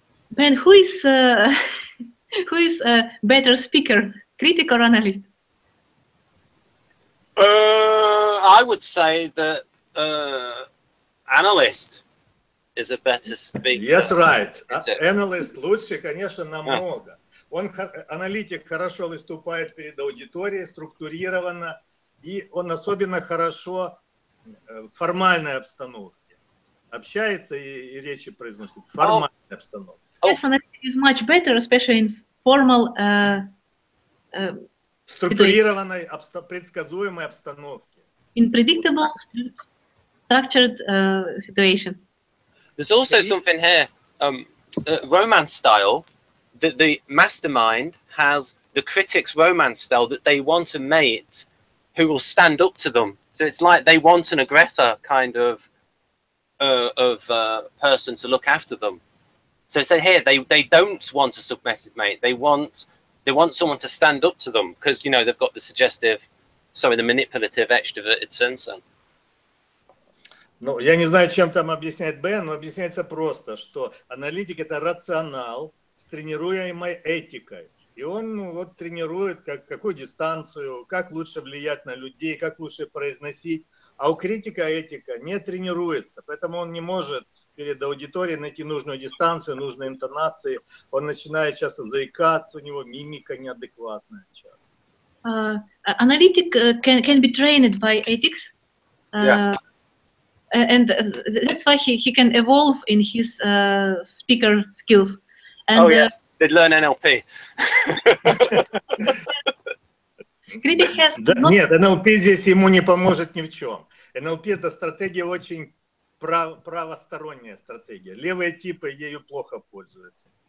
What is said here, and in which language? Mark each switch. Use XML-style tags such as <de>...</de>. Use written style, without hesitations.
<en>Бен, who is Who is a better speaker, critic or analyst? I would say that analyst is a better speaker. Yes, right. Analyst</en> <ru>лучше, конечно, намного. Он аналитик хорошо выступает перед аудиторией, структурированно, и он особенно хорошо в формальной обстановке общается и речи произносит в формальной обстановке.</ru> <en>Yes, analyst is much better, especially in</en> <ru>формал структурированной предсказуемой обстановке.</ru> <en>In predictable structured situation. There's also something here. Romance style. The mastermind has the critic's romance style that they want a mate who will stand up to them. So it's like they want an aggressor kind of person to look after them. So here they don't want a submissive mate. They want someone to stand up to them because you know they've got the suggestive, sorry, the manipulative extroverted sensor.</en> <ru>Ну, я не знаю, чем там объясняет Бен, но объясняется просто, что аналитик это рационал с тренируемой этикой, и он тренирует какую дистанцию, как лучше влиять на людей, как лучше произносить. А у критика этика не тренируется, поэтому он не может перед аудиторией найти нужную дистанцию, нужные интонации. Он начинает часто заикаться, у него мимика неадекватная часто.</ru> <en>Аналитик can be trained by ethics, and that's why he can evolve in his speaker skills. And, oh yes, they learn NLP.</en> <ru>Нет, NLP здесь ему не поможет ни в чем. NLP – это стратегия очень правосторонняя стратегия. Левые типы ею плохо пользуются.</ru>